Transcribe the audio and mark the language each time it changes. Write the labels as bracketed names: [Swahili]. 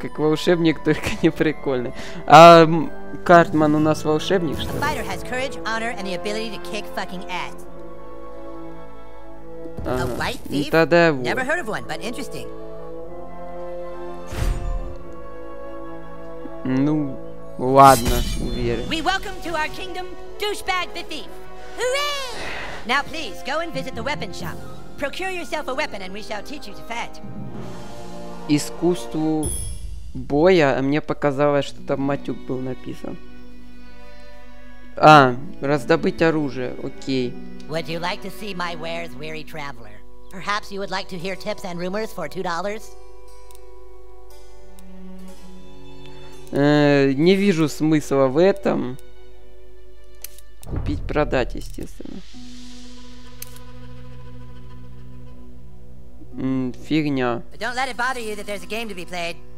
[Russian] Как волшебник, только не прикольный. А картман у нас волшебник, что ли? [English] A fighter has courage, honor, and the ability to kick fucking ass. A white thief? Never heard of one, but interesting. [Russian] Ну, ладно, уверен. [English] We welcome to our kingdom, douchebag the thief. Hooray! Now please go and visit the weapon shop. Procure yourself a weapon, and we shall teach you to fight. [Russian] Искусству боя, а мне показалось, что там матюк был написан. А, раздобыть оружие, окей. [English] Would you like to see my wares, weary traveler? Perhaps you would like to hear tips and rumors for $2? [Russian] Не вижу смысла в этом. Купить, продать, естественно. Фигня. [English] Don't let it bother you that there's a game to be played.